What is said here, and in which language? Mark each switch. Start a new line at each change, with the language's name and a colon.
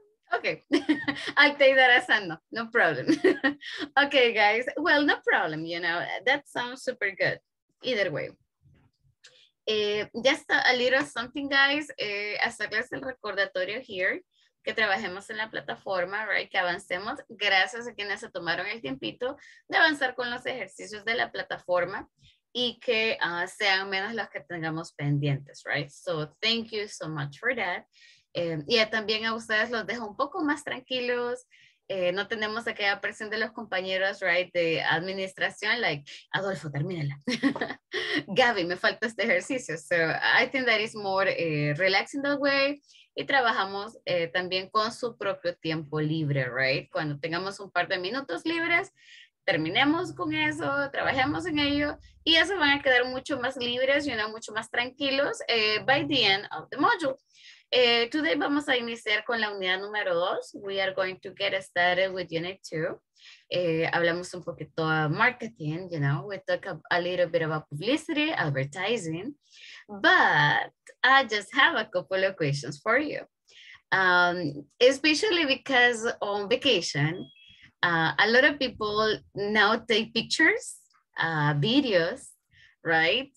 English: Okay, I'll take that as a no, no problem. Okay, guys, well, no problem, you know, that sounds super good. Either way. Just a little something, guys,
Spanish: hacerles el recordatorio here, que trabajemos en la plataforma, right, que avancemos, gracias a quienes se tomaron el tiempito de avanzar con los ejercicios de la plataforma y que sean menos los que tengamos pendientes, right?
English: So, thank you so much for that.
Spanish: Y también a ustedes los dejo un poco más tranquilos. No tenemos aquella presión de los compañeros, right, de administración, like, Adolfo, termínala. Gaby, me falta este ejercicio.
English: So I think that is more relaxing that way.
Spanish: Y trabajamos también con su propio tiempo libre, right? Cuando tengamos un par de minutos libres, terminemos con eso, trabajemos en ello. Y ya se van a quedar mucho más libres y mucho más tranquilos
English: by the end of the module.
Spanish: Today vamos a iniciar con la unidad número 2.
English: We are going to get started with unit 2.
Spanish: Hablamos un poquito de marketing,
English: you know. We talk a little bit about publicity, advertising. But I just have a couple of questions for you. Especially because on vacation, a lot of people now take pictures, videos, right?